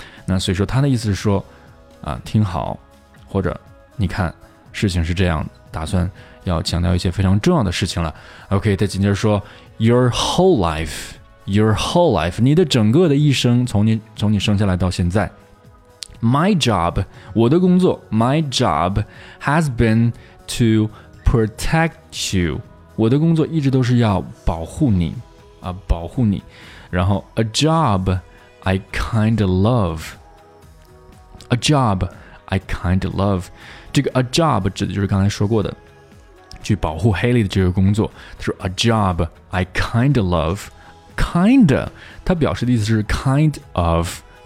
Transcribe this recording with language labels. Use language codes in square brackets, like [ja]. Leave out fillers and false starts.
[zh] 那所以说他的意思是说、听好或者你看事情是这样打算要强调一些非常重要的事情了。 OK, 他紧接着说 [en] your whole life, [zh] 你的整个的一生从你生下来到现在。 [en] My job, [zh] 我的工作 [en] my job has been to protect you. [zh] 我的工作一直都是要保护你、保护你然后 [en] A job I kind of love [zh] A job I kind of love 这个 a job 指的就是刚才说过的去保护 Haley 的这个工作他说 A job I kind of love Kind of 它表示的意思是 kind of